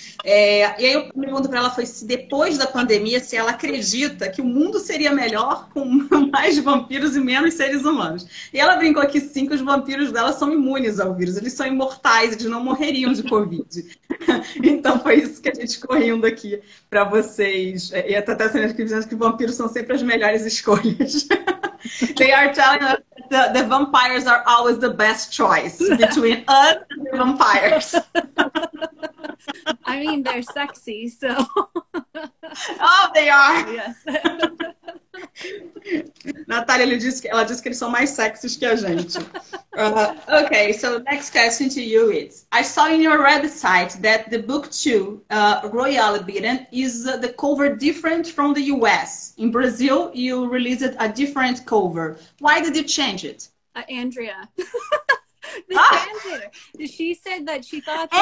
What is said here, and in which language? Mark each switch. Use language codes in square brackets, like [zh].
[pt] E aí eu pergunto para ela foi se depois da pandemia, se ela acredita que o mundo seria melhor com mais vampiros e menos seres humanos. E ela brincou que sim, que os vampiros dela são imunes ao vírus, eles são imortais, eles não morreriam de Covid. Então foi isso que a gente correndo aqui para vocês. E até sendo que vampiros são sempre as melhores escolhas. [en] They are telling us that the vampires are always the best choice between us and the vampires. I mean, they're sexy, so. Oh, they are! Yes. [pt] Natália, ela disse que eles são mais sexys que a gente. [en] Okay, so the next question to you is, I saw in your website that the book 2, Royal Abidin, is the cover different from the US. In Brazil, you released a different cover. Why did you change it? Andrea. The translator. She said that she thought that